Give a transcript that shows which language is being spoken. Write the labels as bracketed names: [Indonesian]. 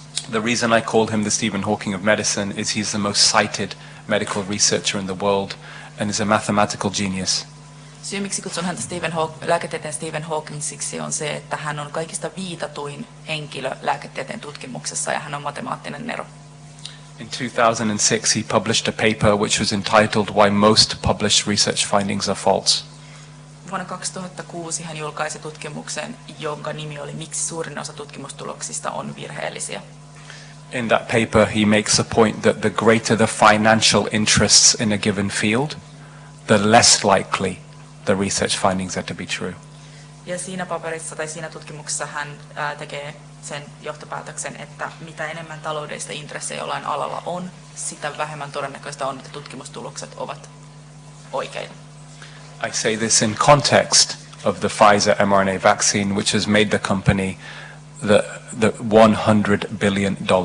[English] The reason I call him the Stephen Hawking of medicine is he's the most cited medical researcher in the world and is a mathematical genius. [Finnish] Syy, miksi kutsun häntä lääketieteen Stephen Hawkingsiksi, on se, että hän on kaikista viitatuin henkilö lääketieteen tutkimuksessa ja hän on matemaattinen nero. [English] In 2006 he published a paper which was entitled Why Most Published Research Findings Are False. [Finnish] Vuonna 2006 hän julkaisi tutkimuksen, jonka nimi oli Miksi suurin osa tutkimustuloksista on virheellisiä. [English] In that paper he makes a point that the greater the financial interests in a given field, the less likely the research findings are to be true. [Finnish] Ja siinä paperissa tai siinä tutkimuksessa hän tekee sen johtopäätöksen, että mitä enemmän taloudellista intressejä jollain alalla on, sitä vähemmän todennäköistä on, että tutkimustulokset ovat oikeita. [English] I say this in context of the Pfizer mRNA vaccine, which has made the company the $100 billion.